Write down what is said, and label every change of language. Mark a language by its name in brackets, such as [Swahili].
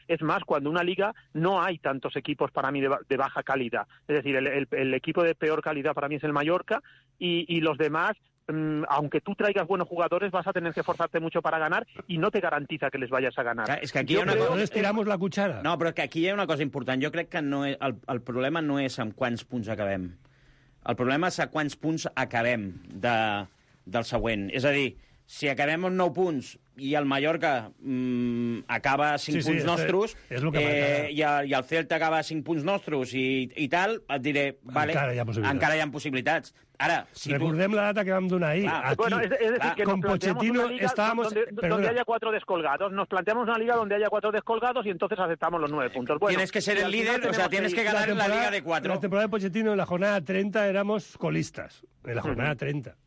[Spanish] Es más, cuando una liga no hay tantos equipos para mí de baja calidad. Es decir, el equipo de peor calidad para mí es el Mallorca y los demás... aunque tú traigas buenos jugadores, vas a tener que esforzarte mucho para ganar y no te garantiza que les vayas a ganar. Es que aquí hay una cosa... tiramos la cuchara. [Catalan] No, però que aquí hi ha una cosa important. Jo crec que no és... el problema no és amb quants punts acabem. El problema és a quants punts acabem del següent. És a dir, si acabem amb 9 punts i el Mallorca acaba 5 punts nostres, i el Celta acaba 5 punts nostres i tal, et diré, vale, encara hi ha possibilitats. Ara, si recordem tu... la data que vam donar ahir. Aquí, [Spanish] bueno, es decir, con Pochettino estábamos... Donde haya 4 descolgados. Nos planteamos una liga donde haya 4 descolgados y entonces aceptamos los 9 puntos. Bueno, tienes que ser el líder, o sea, tienes que ganar la liga de 4. La temporada de Pochettino, en la jornada 30, éramos colistas. En la jornada 30.